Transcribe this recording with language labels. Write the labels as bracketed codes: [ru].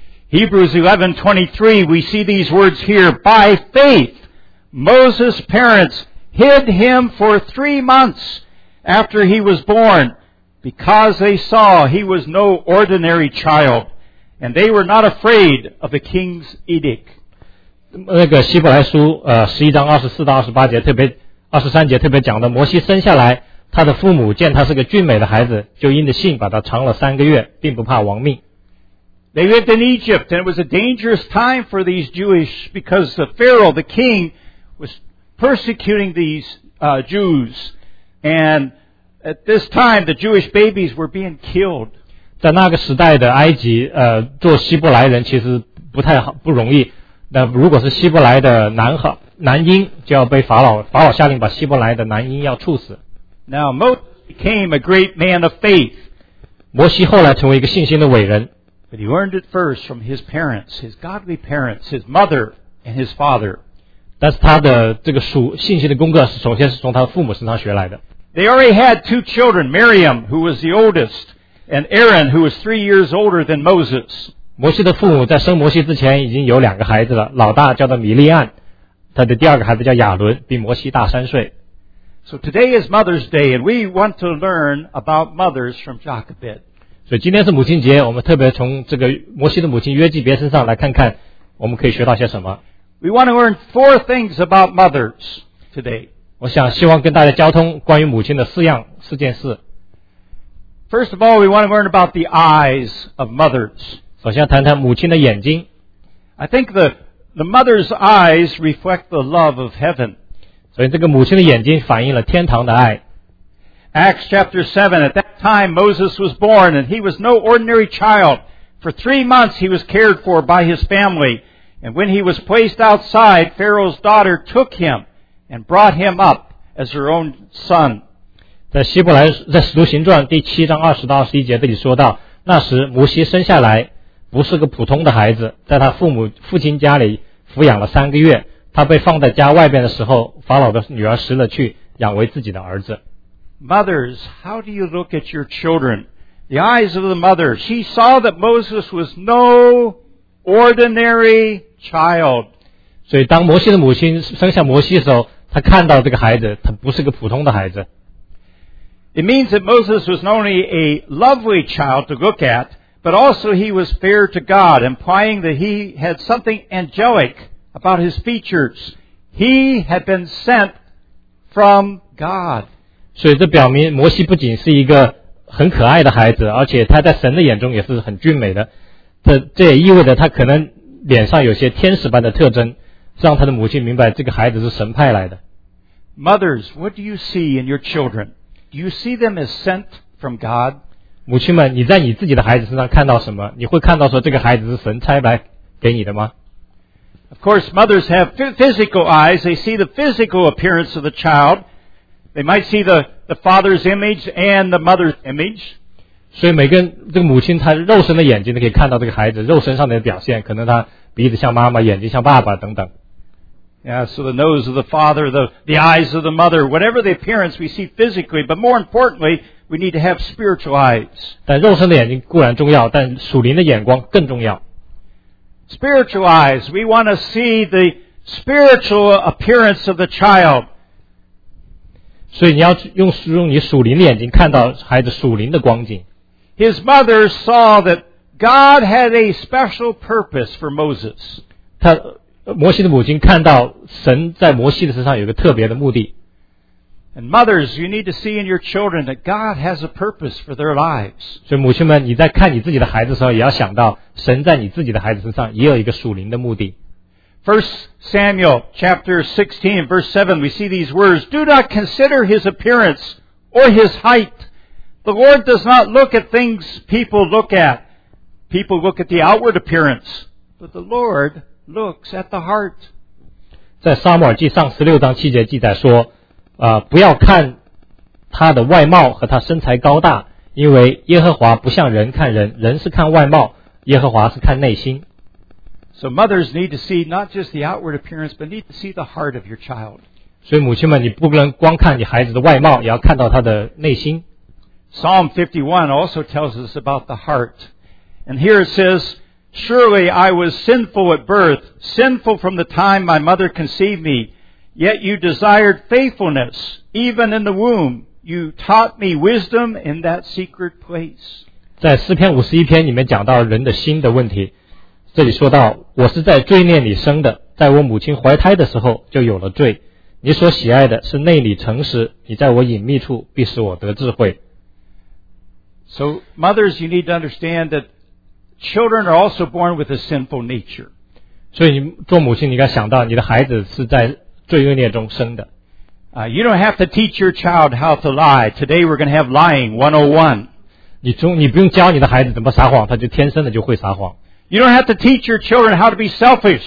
[en] Hebrews 11:23, we see these words here, by faith, Moses' parents hid him for 3 months after he was born because they saw he was no ordinary child. And they were not afraid of the king's edict. [zh] 那个希伯来书十一章二十四到二十八节特别 23节特别讲的摩西生下来他的父母见他是个俊美的孩子就因着信把他藏了三个月并不怕亡命。 [en] They lived in Egypt, and it was a dangerous time for these Jewish because the Pharaoh, the king, was persecuting these Jews. And at this time, the Jewish babies were being killed. [zh] 在那个时代的埃及，做希伯来人其实不太好，不容易。那如果是希伯来的男婴，就要被法老下令把希伯来的男婴要处死。 [en] Now Moses became a great man of faith. [zh] 摩西后来成为一个信心的伟人。 [en] But he earned it first from his parents, his godly parents, his mother and his father. [zh] 但是他的这个信心的功课是首先是从他的父母身上学来的。 [en] They already had two children, Miriam, who was the oldest, and Aaron, who was 3 years older than Moses. [zh] 摩西的父母在生摩西之前已经有两个孩子了，老大叫做米利暗，他的第二个孩子叫亚伦，比摩西大三岁。 [en] So today is Mother's Day, and we want to learn about mothers from Jochebed. [zh] 所以今天是母亲节，我们特别从这个摩西的母亲约基别身上来看看，我们可以学到些什么。 [en] We want to learn four things about mothers today. [zh] 我想希望跟大家交通关于母亲的四件事。 [en] First of all, we want to learn about the eyes of mothers. [zh] 首先谈谈母亲的眼睛。 [en] I think the mother's eyes reflect the love of heaven. [zh] 所以这个母亲的眼睛反映了天堂的爱。 [en] Acts chapter 7, at that time Moses was born and he was no ordinary child. For 3 months he was cared for by his family. And when he was placed outside, Pharaoh's daughter took him and brought him up as her own son. [zh] 在使徒行传第七章20-21节这里说到，那时摩西生下来不是个普通的孩子，在他父亲家里抚养了三个月，他被放在家外边的时候，法老的女儿拾了去，养为自己的儿子。 [en] Mothers, how do you look at your children? The eyes of the mother, she saw that Moses was no ordinary child. [zh] 所以当摩西的母亲生下摩西的时候，她看到这个孩子，他不是个普通的孩子。 [en] It means that Moses was not only a lovely child to look at,But also he was fair to God, implying that he had something angelic about his features. He had been sent from God. [zh] 所以这表明摩西不仅是一个很可爱的孩子，而且他在神的眼中也是很俊美的。这也意味着他可能脸上有些天使般的特征，让他的母亲明白这个孩子是神派来的。 [en] Mothers, what do you see in your children? Do you see them as sent from God? [zh] 母亲们，你在你自己的孩子身上看到什么？你会看到说这个孩子是神差来给你的吗 [en] ？Of course, mothers have physical eyes. They see the physical appearance of the child. They might see the father's image and the mother's image. [zh] 所以每个这个母亲，她肉身的眼睛都可以看到这个孩子肉身上的表现，可能她鼻子像妈妈，眼睛像爸爸等等。 [en] Yeah, so the nose of the father, the eyes of the mother, whatever the appearance we see physically, but more importantly. We need to have spiritual eyes. [zh] 但肉身的眼睛固然重要，但属灵的眼光更重要。 [en] Spiritual eyes. We want to see the spiritual appearance of the child. [zh] 所以你要用你属灵的眼睛看到孩子属灵的光景。 [en] His mother saw that God had a special purpose for Moses. [zh] 摩西的母亲看到神在摩西的身上有个特别的目的。 [en] And mothers, you need to see in your children that God has a purpose for their lives. [zh] 所以母亲们，你在看你自己的孩子的时候，也要想到神在你自己的孩子身上也有一个属灵的目的。 [en] First Samuel chapter 16, verse 7, we see these words: Do not consider his appearance or his height. The Lord does not look at things people look at. People look at the outward appearance, but the Lord looks at the heart. [zh] 在撒母耳记上16:7记载说。不要看他的外貌和他身材高大，因为耶和华不像人看人，人是看外貌，耶和华是看内心。 [en] So mothers need to see not just the outward appearance, but need to see the heart of your child. [zh] 所以母亲们，你不能光看你孩子的外貌，也要看到他的内心。 [en] Psalm 51 also tells us about the heart, and here it says, "Surely I was sinful at birth, sinful from the time my mother conceived me." Yet you desired faithfulness, even in the womb. You taught me wisdom in that secret place. [zh] 在诗篇51篇里面讲到人的心的问题，这里说到我是在罪孽里生的，在我母亲怀胎的时候就有了罪。你所喜爱的是内里诚实，你在我隐秘处必使我得智慧。 [en] So mothers, you need to understand that children are also born with a sinful nature. [zh] 所以你做母亲，你该想到你的孩子是在罪恶孽中生的。 [en] You don't have to teach your child how to lie. Today we're going to have lying 101. [zh] 你不用教你的孩子怎么撒谎，他就天生的就会撒谎。 [en] You don't have to teach your children how to be selfish.